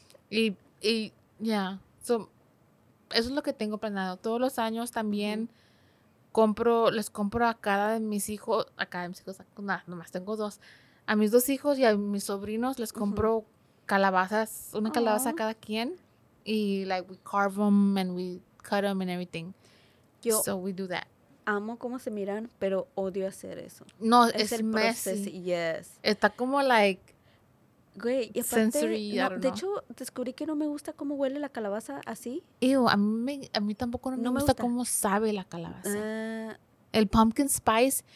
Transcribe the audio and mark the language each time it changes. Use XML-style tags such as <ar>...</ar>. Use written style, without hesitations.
<es>Eso es lo que tengo planeado. Todos los años también les compro a cada de mis hijos. A cada de mis hijos, nomás tengo dos. A mis dos hijos y a mis sobrinos les compro calabazas. Una calabaza a cada quien.</es> <en>Y like we carve them and we cut them and everything.</en> <es>Yo</es> <en>so we do that.</en> <es>Amo cómo se miran, pero odio hacer eso. No, es el messy. Proceso.</es> <en>Yes.</en> <es>Está como like... Güey, y aparte,</es> <en>sensory,</en> <es>no, de hecho, descubrí que no me gusta cómo huele la calabaza así. Ew, a mí tampoco no me gusta cómo sabe la calabaza. El pumpkin spice,</es>